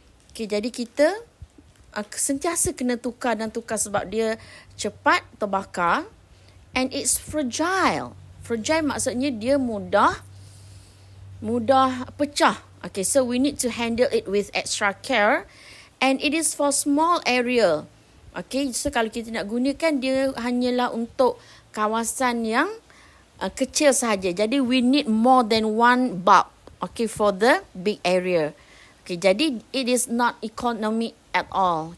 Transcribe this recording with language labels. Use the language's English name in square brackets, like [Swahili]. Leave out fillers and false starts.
[Malay] Okay, jadi kita sentiasa kena tukar dan tukar sebab dia cepat terbakar. [English] And it's fragile. [Malay] Fragile maksudnya dia mudah pecah. [English] Okay, so we need to handle it with extra care. And it is for small area. [Malay] Okay, so kalau kita nak gunakan, dia hanyalah untuk kawasan yang kecil sahaja. [English] Jadi, we need more than one bulb. Okay, for the big area. Okay, jadi it is not economy at all.